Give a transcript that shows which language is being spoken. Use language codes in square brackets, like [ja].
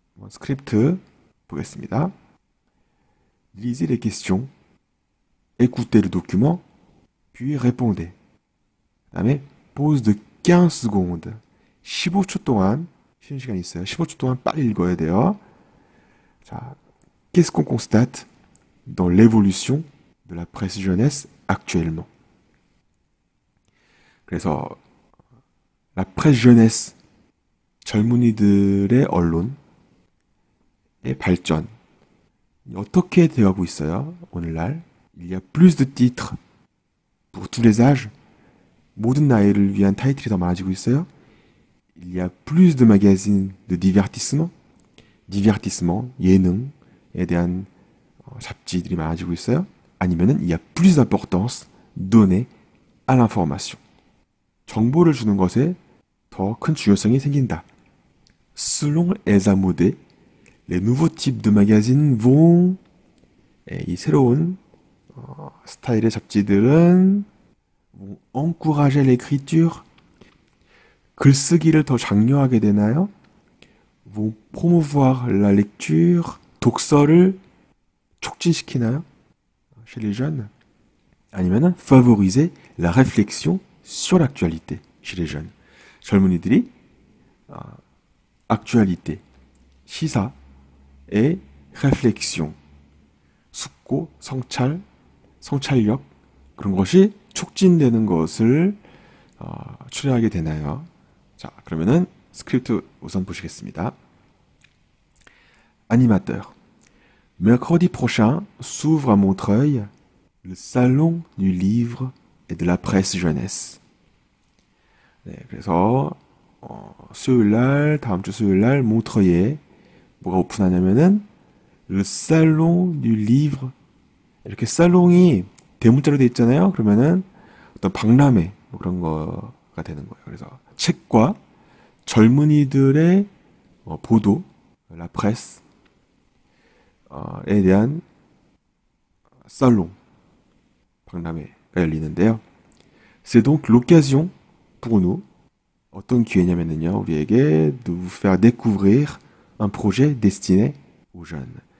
[fr] Script [ko] 보겠습니다. [fr] Lisez les questions, écoutez le document, puis répondez. [ko] 그다음에 [fr] pause de 15 secondes. [ko] 15초 동안 쉬는 시간이 있어요. 15초 동안 빨리 읽어야 돼요. [fr] 자, qu'est-ce qu'on constate dans l'évolution de la presse jeunesse actuellement? [ko] 그래서 [fr] la presse jeunesse [ko] 젊은이들의 언론 발전. 어떻게 되어 하고 있어요? 오늘날. [fr] Il y a plus de titres pour tous les âges. [ko] 모든 나이를 위한 타이틀이 더 많아지고 있어요. [fr] Il y a plus de magazines de divertissement. [ko] 디버티스먼트, 예능에 대한 잡지들이 많아지고 있어요. 아니면은 [fr] il y a plus d'importance donnée à l'information. [ko] 정보를 주는 것에 더큰 중요성이 생긴다. [fr] Selon Elsa Maudet, Les nouveaux types de magazines vont, 네, [ko] 이 새로운 스타일의 잡지들은 [fr] vont encourager l'écriture, [ko] 글쓰기를 더 장려하게 되나요? [fr] vont promouvoir la lecture, [ko] 독서를 촉진시키나요? [fr] chez les jeunes, [ko] 아니면 [fr] favoriser la réflexion sur l'actualité chez les jeunes. [ko] 젊은이들이 actualité, 시사 et réflexion, 숙고, 성찰, 성찰력 그런 것이 촉진되는 것을 추려하게 되나요? 자, 그러면은 스크립트 우선 보시겠습니다. [fr] Animateur, mercredi prochain s'ouvre à Montreuil le salon du livre et de la presse jeunesse. [ko] 네, 그래서 수요일날, 다음 주 수요일날 몽트레이에 뭐가 오픈하냐면은 [fr] Le salon du livre. [ko] 이렇게 salon이 대문자로 되어 있잖아요. 그러면은 어떤 박람회, 뭐 그런 거가 되는 거예요. 그래서 책과 젊은이들의 보도, la presse, 에 대한 salon, 박람회가 열리는데요. [fr] C'est donc l'occasion pour nous. [ko] 어떤 기회냐면은요. 우리에게 [fr] de vous faire découvrir un projet destiné aux jeunes.